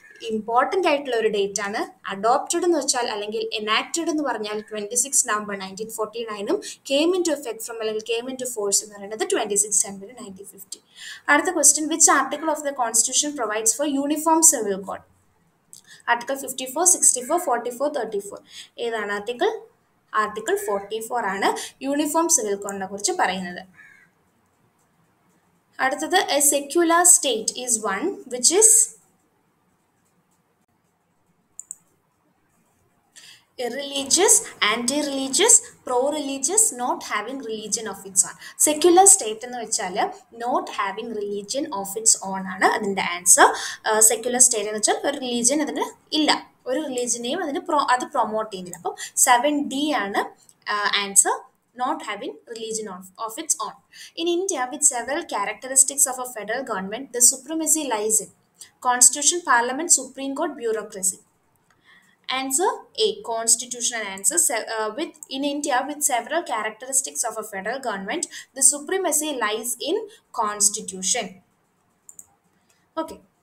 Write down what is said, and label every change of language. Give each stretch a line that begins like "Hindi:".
Malayalam: Important ആയിട്ടുള്ള ഒരു date ആണ്. അഡോപ്റ്റഡ് എന്ന് വെച്ചാൽ അല്ലെങ്കിൽ എനാക്റ്റഡ് എന്ന് പറഞ്ഞാൽ 26 November 1949
English: came into effect from
Malayalam: അല്ലെങ്കിൽ
English: came into force
Malayalam: എന്ന് പറയുന്നത് 26 ജനുവരി 1950. അടുത്ത
English: Question, which article of the constitution provides for uniform civil code?
Malayalam: Article 54, 64, 44, 34. ഏതാണ് ആർട്ടിക്കിൾ? ആർട്ടിക്കിൾ 44 ആണ് യൂണിഫോം സിവിൽ കോഡിനെ കുറിച്ച് പറയുന്നത്. അടുത്തത്,
English: A secular state is one which is irreligious, anti-religious, pro-religious, not having religion of its own.
Malayalam: Secular state എന്ന് വെച്ചാൽ
English: not having religion of its own
Malayalam: ആണ് അതിൻ്റെ answer. Secular state എന്ന് വെച്ചാൽ ഒരു റിലീജിയൻ അതിന് ഇല്ല, ഒരു റിലീജിയനെയും അതിന് അത് പ്രൊമോട്ട് ചെയ്യുന്നില്ല. അപ്പം 7D ആണ് answer,
English: not having religion of its own. In India, with several characteristics of a federal government, the supremacy lies in constitution, parliament, supreme court, bureaucracy. Answer A, constitutional answer. In India, with several characteristics of a federal government, the supremacy lies in constitution. Okay.